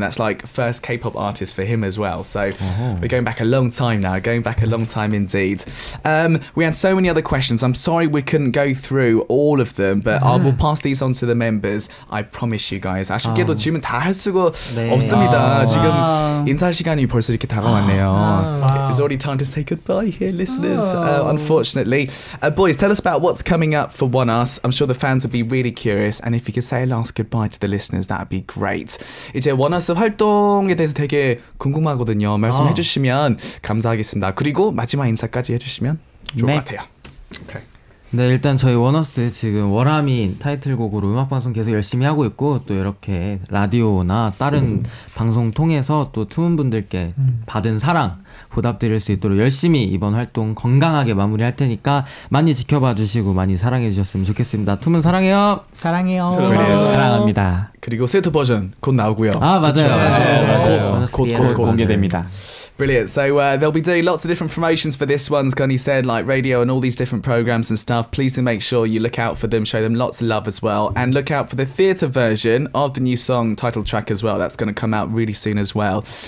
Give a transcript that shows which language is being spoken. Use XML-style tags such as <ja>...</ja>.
<en>That's like first K-pop artist for him as well. So we're going back a long time now, going back a long time indeed. We had so many other questions. I'm sorry we couldn't go through all of them, but I will pass these on to the members. I promise you guys.</en> <ko>아쉽게도 질문 다 할 수가 없습니다. 지금 인사 시간이 벌써 이렇게 다가왔네요.</ko> <en>It's already time to say goodbye here, listeners, unfortunately. Boys, tell us about what's coming up for One Us. I'm sure the fans would be really curious. And if you could say a last goodbye to the listeners, that would be great.</en> <ko>이제 One Us 활동에 대해서 되게 궁금하거든요. 말씀해 주시면 감사하겠습니다. 그리고 마지막 인사까지 해주시면 좋을 것 같아요.</ko> <en>Okay.</en> <ko>네, 일단 저희 원어스 지금 월화민 타이틀곡으로 음악방송 계속 열심히 하고 있고 또 이렇게 라디오나 다른 방송 통해서 또 투운분들께 받은 사랑 보답드릴 수 있도록 열심히 이번 활동 건강하게 마무리할 테니까 많이 지켜봐주시고 많이 사랑해주셨으면 좋겠습니다. 투문 사랑해요! 사랑해요! 그래요. 사랑합니다. 그리고 세트 버전 곧 나오고요. 아, 맞아요. 곧 공개됩니다.</ko> <en>Brilliant. So they'll be doing lots of different promotions for this one, as Gunny said, like radio and all these different programs and stuff. Please do make sure you look out for them, show them lots of love as well. And look out for the theatre version of the new song title track as well. That's going to come out really soon as well.</en>